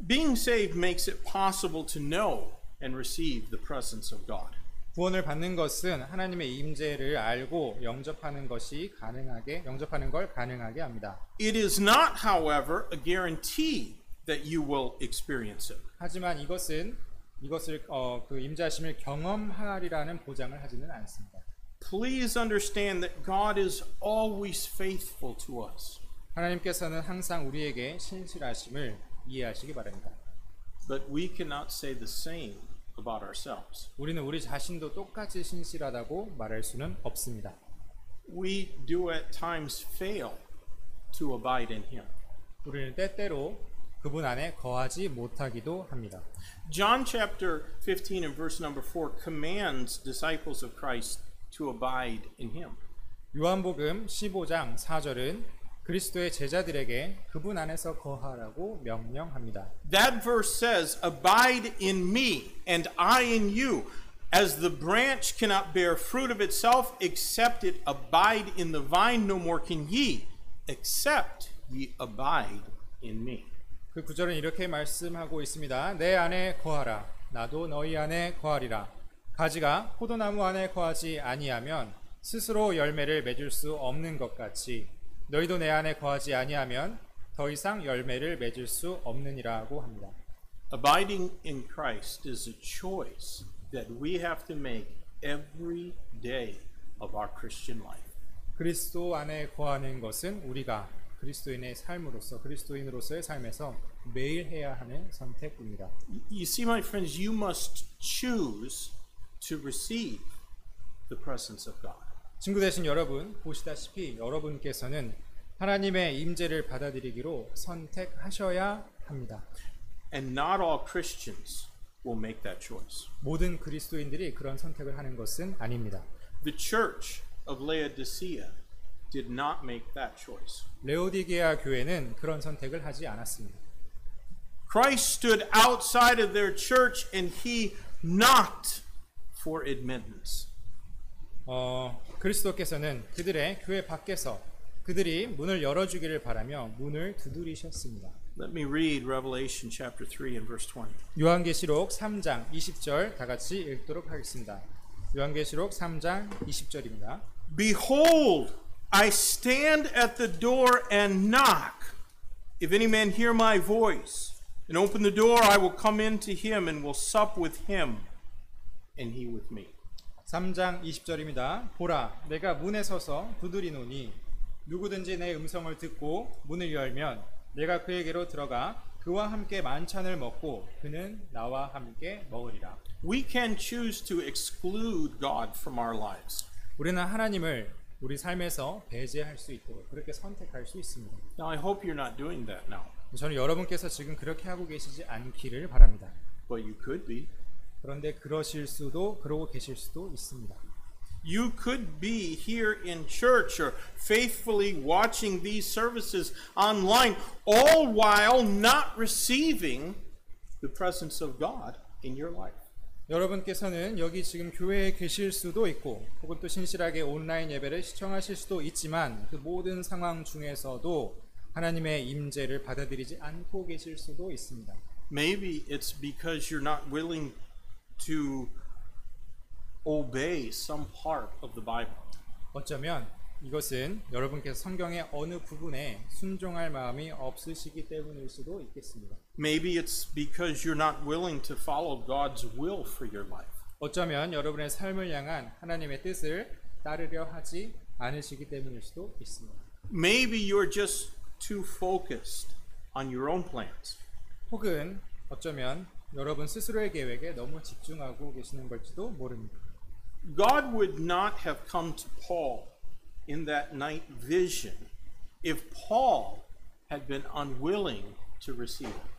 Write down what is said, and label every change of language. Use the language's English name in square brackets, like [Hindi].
[English] Being saved makes it possible to know and receive the presence of God. [Korean] 구원을 받는 것은 하나님의 임재를 알고 영접하는 것이 가능하게 영접하는 걸 가능하게 합니다. [English] It is not, however, a guarantee that you will experience it. [Korean] 하지만 이것을 그 임재하심을 경험하리라는 보장을 하지는 않습니다. [English] Please understand that God is always faithful to us. [Korean] 하나님께서는 항상 우리에게 신실하심을 이해하시기 바랍니다. [English] But we cannot say the same about ourselves. [Korean] 우리는 우리 자신도 똑같이 신실하다고 말할 수는 없습니다. [English] We do at times fail to abide in Him. [Korean] 우리는 때때로 그분 안에 거하지 못하기도 합니다. [English] John chapter 15 and verse number 4 commands disciples of Christ to abide in him. [Korean] 요한복음 15장 4절은 그리스도의 제자들에게 그분 안에서 거하라고 명령합니다. [English] That verse says, abide in me and I in you, as the branch cannot bear fruit of itself except it abide in the vine, no more can ye except ye abide in me. [Korean] 그 구절은 이렇게 말씀하고 있습니다. 내 안에 거하라 나도 너희 안에 거하리라. 가지가 포도나무 안에 거하지 아니하면 스스로 열매를 맺을 수 없는 것 같이 너희도 내 안에 거하지 아니하면 더 이상 열매를 맺을 수 없느니라고 합니다. [English] Abiding in Christ is a choice that we have to make every day of our Christian life. [Korean] 그리스도 안에 거하는 것은 우리가 그리스도인의 삶으로서 그리스도인으로서의 삶에서 매일 해야 하는 선택입니다. [English] You see, my friends, you must choose to receive the presence of God. [Korean] 친구 되신 여러분, 보시다시피 여러분께서는 하나님의 임재를 받아들이기로 선택하셔야 합니다. [English] And not all Christians will make that choice. [Korean] 모든 그리스도인들이 그런 선택을 하는 것은 아닙니다. [English] The church of Laodicea did not make that choice. [Korean] 레오디게아 교회는 그런 선택을 하지 않았습니다. [English] Christ stood outside of their church and he knocked for admittance. [Korean] 그리스도께서는 그들의 교회 밖에서 그들이 문을 열어 주기를 바라며 문을 두드리셨습니다. [English] Let me read Revelation chapter 3 and verse 20. [Korean] 요한계시록 3장 20절 다 같이 읽도록 하겠습니다. 요한계시록 3장 20절입니다. [English] Behold, I stand at the door and knock. If any man hear my voice and open the door, I will come in to him and will sup with him. And he with me. [Korean] 3장 20절입니다. 보라, 내가 문에 서서 두드리노니 누구든지 내 음성을 듣고 문을 열면 내가 그에게로 들어가 그와 함께 만찬을 먹고 그는 나와 함께 먹으리라. [English] We can choose to exclude God from our lives. [Korean] 우리는 하나님을 우리 삶에서 배제할 수 있도록 그렇게 선택할 수 있습니다. [English] Now I hope you're not doing that now. [Korean] 저는 여러분께서 지금 그렇게 하고 계시지 않기를 바랍니다. [English] But you could be. [Korean] 그런데 그러실 수도 그러고 계실 수도 있습니다. [English] You could be here in church or faithfully watching these services online all while not receiving the presence of God in your life. [Korean] 여러분께서는 여기 지금 교회에 계실 수도 있고 혹은 또 신실하게 온라인 예배를 시청하실 수도 있지만 그 모든 상황 중에서도 하나님의 임재를 받아들이지 않고 계실 수도 있습니다. [English] Maybe it's because you're not willing to obey some part of the Bible. [Korean] 어쩌면 이것은 여러분께서 성경의 어느 부분에 순종할 마음이 없으시기 때문일 수도 있겠습니다. [English] Maybe it's because you're not willing to follow God's will for your life. [Korean] 어쩌면 여러분의 삶을 향한 하나님의 뜻을 따르려 하지 않으시기 때문일 수도 있습니다. [English] Maybe you're just too focused on your own plans. [Korean] 혹은 어쩌면 여러분 스스로의 계획에 너무 집중하고 계시는 걸지도 모릅니다. [English] God would not have come to Paul in that night vision if Paul had been unwilling to receive.